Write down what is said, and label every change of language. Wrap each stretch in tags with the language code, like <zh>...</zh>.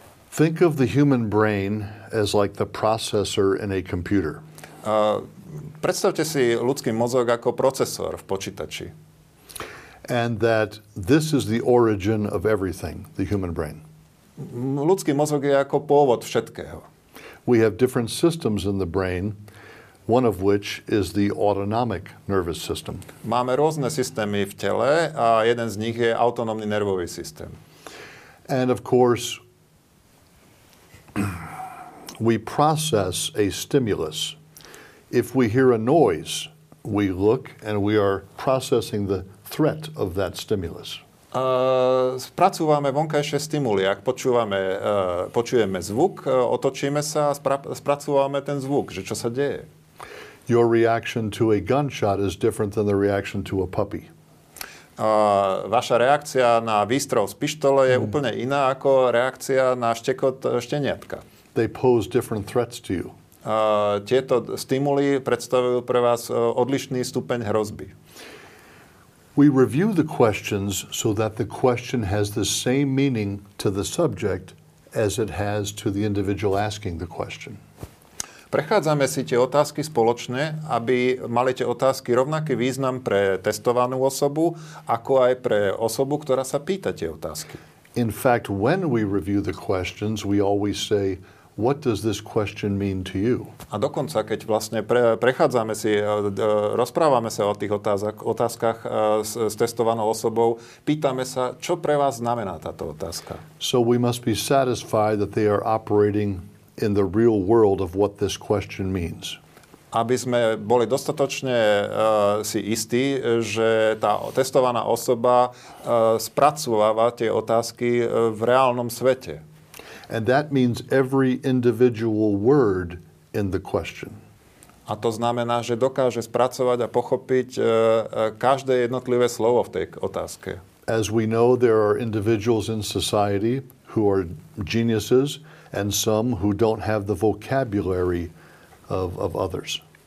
<en>Think of the human brain as like the processor in a computer.</en> <sk>Predstavte si ľudský mozog ako procesor v počítači.</sk> <en>And that this is the origin of everything, the human brain.</en> <sk>Ľudský mozog je ako pôvod všetkého.</sk> <en>We have different systems in the brain, one of which is the autonomic nervous system.</en> <sk>Máme rôzne systémy v tele a jeden z nich je autonómny nervový systém.</sk> <en>And of course, we process a stimulus. If we hear a noise, we look and we are processing the threat of that stimulus.</en> <sk>Spracúvame vonkajšie stimuly. Ak počujeme zvuk, otočíme sa a spracúvame ten zvuk, že čo sa deje.</sk> <en>Your reaction to a gunshot is different than the reaction to a puppy.</en> <sk>Vaša reakcia na výstrel z pištole je úplne iná ako reakcia na štekot šteniatka.</sk> <en>They pose different threats to you.</en> <sk>Tieto stimuly predstavujú pre vás odlišný stupeň hrozby.</sk> <en>We review the questions so that the question has the same meaning to the subject as it has to the individual asking the question.</en> <sk>Prechádzame si tie otázky spoločne, aby mali tie otázky rovnaký význam pre testovanú osobu, ako aj pre osobu, ktorá sa pýta tie otázky.</sk> <en>In fact, when we review the questions, we always say, what does this question mean to you?</en> <sk>A dokonca, keď vlastne prechádzame si, rozprávame sa o tých otázkach s testovanou osobou, pýtame sa, čo pre vás znamená táto otázka.</sk> <en>So we must be satisfied that they are operating in the real world of what this question means.</en> <sk>Aby sme boli dostatočne si istí, že tá testovaná osoba spracúvava tie otázky v reálnom svete.</sk> <en>And that means every individual word in the question.</en> <sk>A to znamená, že dokáže spracovať a pochopiť každé jednotlivé slovo v tej otázke.</sk> <en>As we know, there are individuals in society who are geniuses and some who don't have the vocabulary of others.</en>